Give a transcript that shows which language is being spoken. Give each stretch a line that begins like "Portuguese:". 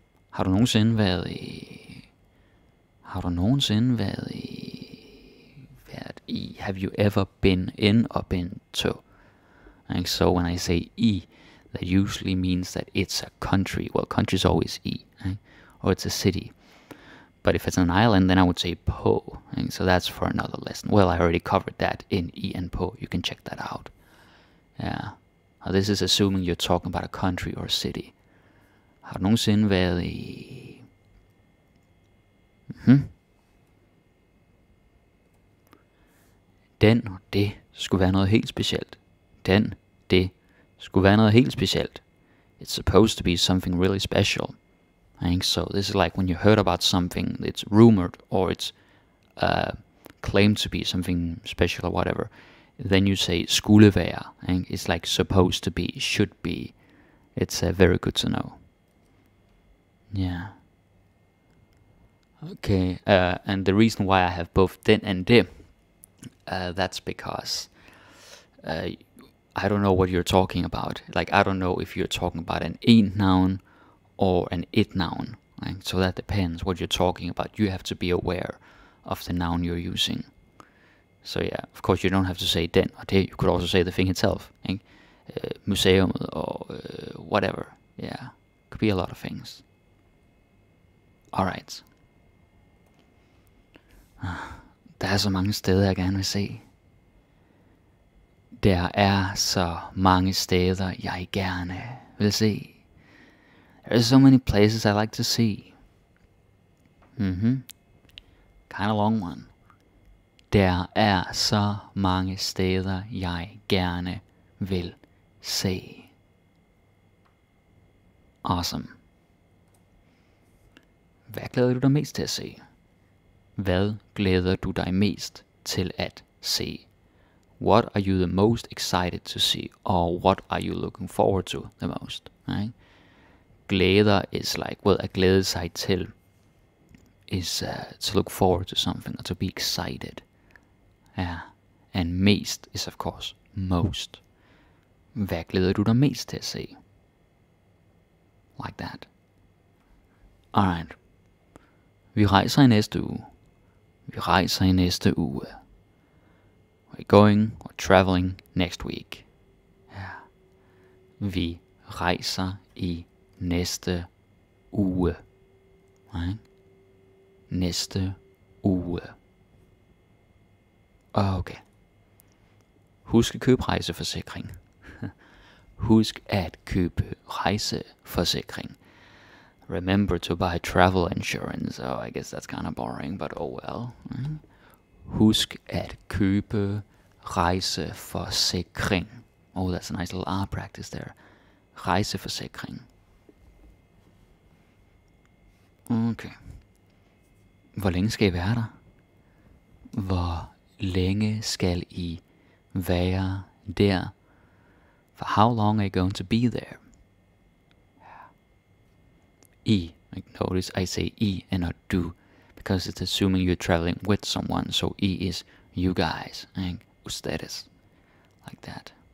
Danish: Har du nogensinde været i... Har du nogensinde været i... Været i...
English: Have you ever been in or been to? And so when I say i, that usually means that it's a country. Well, country is always i, right? Or it's a city. But if it's an island, then I would say po. Right? So that's for another lesson. Well, I already covered that in i and po. You can check that out. Yeah. Now, this is assuming you're talking about a country or a city.
Danish: Har du nogensinde været i... Den og det skulle være noget helt specielt. Den, det, skulle være noget helt specielt.
English: It's supposed to be something really special. Right? So this is like when you heard about something that's rumored or it's claimed to be something special or whatever. Then you say
Danish: skulle være.
English: Right? It's like supposed to be, should be. It's very good to know. Yeah. Okay, and the reason why I have both den and det, that's because I don't know what you're talking about. Like, I don't know if you're talking about an en noun or an it noun. Right? So that depends what you're talking about. You have to be aware of the noun you're using. So yeah, of course you don't have to say den or det. You could also say the thing itself. Right? Museum or whatever. Yeah, could be a lot of things. All right.
Danish: Der er så mange steder, jeg gerne vil se. Der er så mange steder, jeg gerne vil se.
English: There are so many places I like to see. Kind of long one.
Danish: Der er så mange steder, jeg gerne vil se.
English: Awesome.
Danish: Hvad glæder du dig mest til at se? Hvad glæder du dig mest til at se?
English: What are you the most excited to see? Or what are you looking forward to the most? Right? Glæder is like, well,
Danish: at glæde sig til
English: is to look forward to something or to be excited. Yeah. And mest is of course most.
Danish: Hvad glæder du dig mest til at se?
English: Like that. Alright.
Danish: Vi rejser i næste uge. Vi rejser i næste uge.
English: We're going or traveling next week. Yeah.
Danish: Vi rejser i næste uge. Right? Næste uge.
English: Okay.
Danish: Husk at købe rejseforsikring. Husk at købe rejseforsikring.
English: Remember to buy travel insurance. Oh, I guess that's kind of boring, but oh well.
Danish: Husk at købe rejseforsikring.
English: Oh, that's a nice little R practice there.
Danish: Rejseforsikring.
English: Okay.
Danish: Hvor længe skal I være der? Hvor længe skal I være der?
English: For how long are you going to be there? I, like notice I say I and not du, because it's assuming you're traveling with someone, so I is you guys, and ustedes, like that.